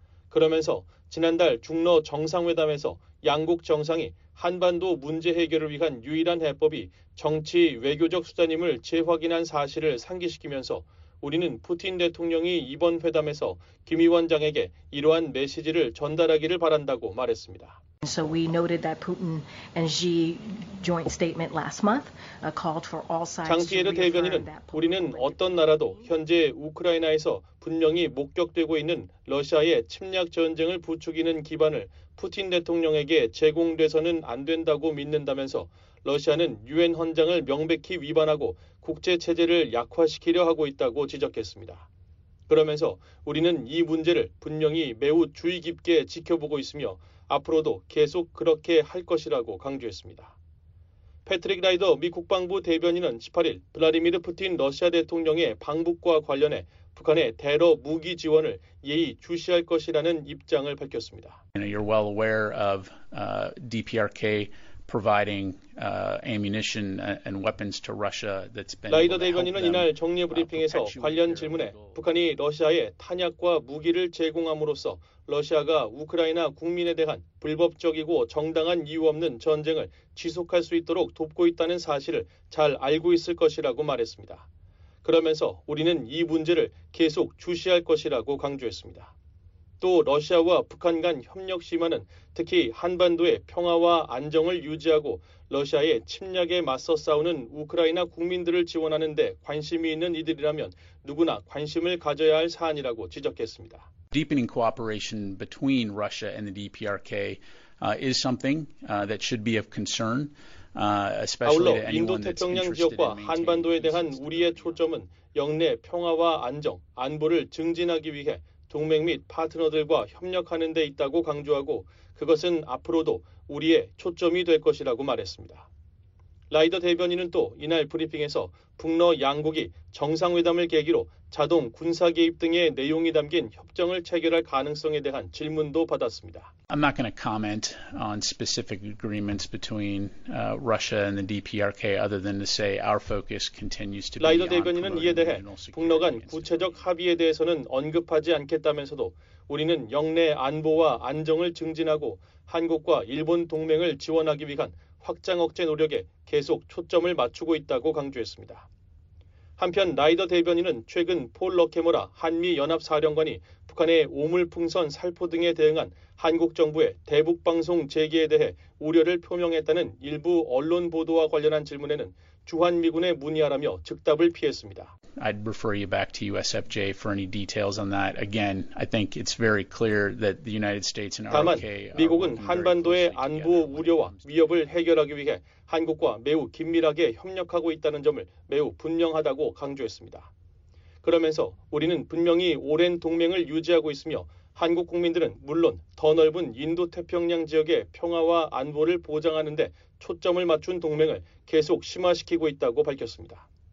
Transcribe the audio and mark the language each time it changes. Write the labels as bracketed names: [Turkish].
[Korean] 그러면서 지난달 중러 정상회담에서 양국 정상이 한반도 문제 해결을 위한 유일한 해법이 정치 외교적 수단임을 재확인한 사실을 상기시키면서 우리는 푸틴 대통령이 이번 회담에서 김 위원장에게 이러한 메시지를 전달하기를 바란다고 말했습니다. [English] So we noted that Putin and Xi joint statement last month called for all sides to reaffirm that. [Korean] 장피에르 대변인은 우리는 어떤 나라도 현재 우크라이나에서 분명히 목격되고 있는 러시아의 침략 전쟁을 부추기는 기반을 푸틴 대통령에게 제공돼서는 안 된다고 믿는다면서 러시아는 유엔 헌장을 명백히 위반하고 국제 체제를 약화시키려 하고 있다고 지적했습니다. 그러면서 우리는 이 문제를 분명히 매우 주의 깊게 지켜보고 있으며 앞으로도 계속 그렇게 할 것이라고 강조했습니다. 패트릭 라이더 미 국방부 대변인은 18일 블라디미르 푸틴 러시아 대통령의 방북과 관련해 북한의 대러 무기 지원을 예의 주시할 것이라는 입장을 밝혔습니다. [English] You're well aware of DPRK providing ammunition and weapons to Russia that's been [Korean] 라이더 대변인은 이날 정례 브리핑에서 관련 질문에 북한이 러시아에 탄약과 무기를 제공함으로써 러시아가 우크라이나 국민에 대한 불법적이고 정당한 이유 없는 전쟁을 지속할 수 있도록 돕고 있다는 사실을 잘 알고 있을 것이라고 말했습니다. 그러면서 우리는 이 문제를 계속 주시할 것이라고 강조했습니다. 또 러시아와 북한 간 협력 심화는 특히 한반도의 평화와 안정을 유지하고 러시아의 침략에 맞서 싸우는 우크라이나 국민들을 지원하는 데 관심이 있는 이들이라면 누구나 관심을 가져야 할 사안이라고 지적했습니다. [English] Deepening cooperation between Russia and the DPRK is something that should be of concern. [Korean] 아울러 인도태평양 지역과 한반도에 대한 우리의 초점은 영내 평화와 안정, 안보를 증진하기 위해 동맹 및 파트너들과 협력하는 데 있다고 강조하고 그것은 앞으로도 우리의 초점이 될 것이라고 말했습니다. 라이더 대변인은 또 이날 브리핑에서 북러 양국이 정상회담을 계기로 자동 군사 개입 등의 내용이 담긴 협정을 체결할 가능성에 대한 질문도 받았습니다. [English] I'm not going to comment on specific agreements between Russia and the DPRK other than to say our focus continues to be [Korean] 라이더 대변인은 이에 대해 북러 간 구체적 합의에 대해서는 언급하지 않겠다면서도 우리는 영내 안보와 안정을 증진하고 한국과 일본 동맹을 지원하기 위한 확장 억제 노력에 계속 초점을 맞추고 있다고 강조했습니다. 한편 라이더 대변인은 최근 폴 러케모라 한미연합사령관이 북한의 오물풍선 살포 등에 대응한 한국 정부의 대북방송 재개에 대해 우려를 표명했다는 일부 언론 보도와 관련한 질문에는 주한미군에 문의하라며 즉답을 피했습니다. [English] I'd refer you back to USFJ for any details on that. Again, I think it's very clear that the United States and RK [Korean] 다만 미국은 한반도의 안보 우려와 위협을 해결하기 위해 한국과 매우 긴밀하게 협력하고 있다는 점을 매우 분명하다고 강조했습니다. 그러면서 우리는 분명히 오랜 동맹을 유지하고 있으며 한국 국민들은 물론 더 넓은 인도태평양 지역의 평화와 안보를 보장하는 데 초점을 맞춘 동맹을 계속 심화시키고 있다고 밝혔습니다.